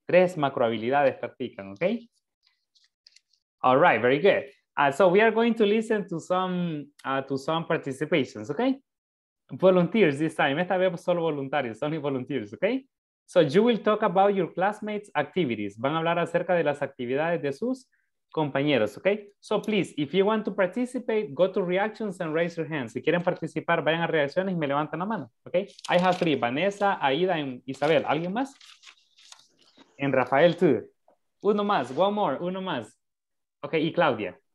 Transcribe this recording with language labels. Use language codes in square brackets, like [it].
[es] Tres macro habilidades practican, okay? [en] All right, very good. So we are going to listen to some participations, okay? Volunteers this time, [es] esta vez solo voluntarios, [en] only volunteers, okay? So you will talk about your classmates' activities. [es] Van a hablar acerca de las actividades de sus compañeros, okay? [en] So please, if you want to participate, go to reactions and raise your hands. [es] Si quieren participar, vayan a reacciones y me levantan la mano, okay? [en] I have three, Vanessa, Aida, and Isabel. [es] ¿Alguien más? [en] And Rafael, too. [es] Uno más, [en] one more, [es] uno más. Okay, y Claudia.